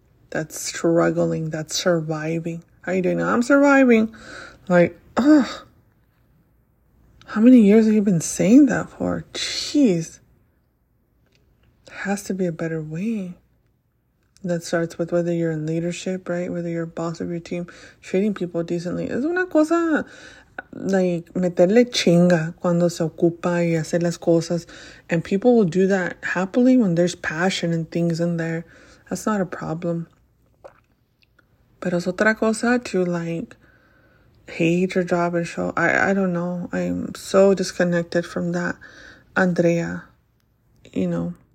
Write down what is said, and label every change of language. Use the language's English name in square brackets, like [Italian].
[English] That's struggling. That's surviving. How are you doing? I'm surviving. Like, ugh. How many years have you been saying that for? Jeez. Has to be a better way. That starts with whether you're in leadership, right? Whether you're boss of your team. Treating people decently. [Spanish] Es una cosa, like, meterle chinga cuando se ocupa y hacer las cosas. [English] And people will do that happily when there's passion and things in there. That's not a problem. [Spanish] Pero es otra cosa [English] to, like, hate your job and show. I don't know. I'm so disconnected from that, Andrea. You know?